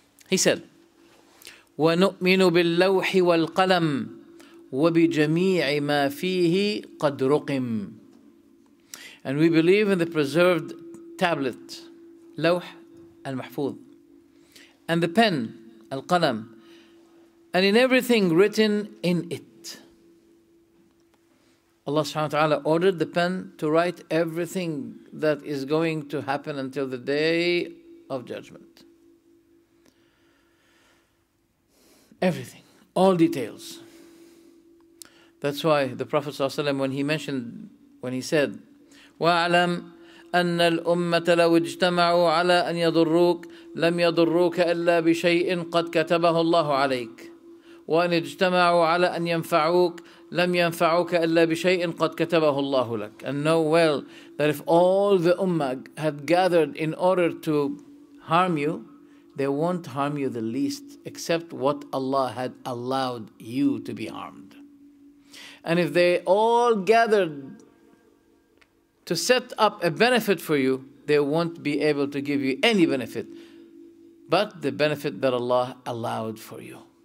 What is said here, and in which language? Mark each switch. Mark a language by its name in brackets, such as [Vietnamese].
[English] He said, [Arabic] وَنُؤْمِنُ بِاللَّوْحِ وَالْقَلَمِ وَبِجَمِيعِ مَا فِيهِ قَدْ رُقِمْ. [English] And we believe in the preserved tablet, لوح المحفوظ, and the pen, القلم, and in everything written in it. Allah subhanahu wa ta'ala ordered the pen to write everything that is going to happen until the day of judgment. Everything, all details. That's why the Prophet ﷺ, when he said, [Arabic] وَاعْلَمْ أَنَّ الْأُمَّةَ لَوْ اجْتَمَعُوا عَلَىٰ أَنْ يَضُرُّوكَ لَمْ يَضُرُّوكَ إِلَّا بِشَيْءٍ قَدْ كَتَبَهُ اللَّهُ عَلَيْكَ وَأَنْ اجْتَمَعُوا عَلَىٰ أَنْ يَنْفَعُوكَ لَمْ يَنْفَعُوكَ إِلَّا بِشَيْءٍ قَدْ كَتَبَهُ اللَّهُ لَكَ. [English] And know well that if all the ummah had gathered in order to harm you, they won't harm you the least except what Allah had allowed you to be harmed. And if they all gathered to set up a benefit for you, they won't be able to give you any benefit but the benefit that Allah allowed for you.